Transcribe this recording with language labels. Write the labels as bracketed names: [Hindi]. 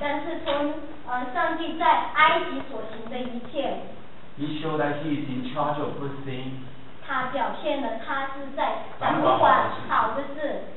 [Chinese] 但是从上帝在埃及所行的一切。 [English] He showed that he is in charge of good things. [Chinese] 他表现了他是在掌管好的事。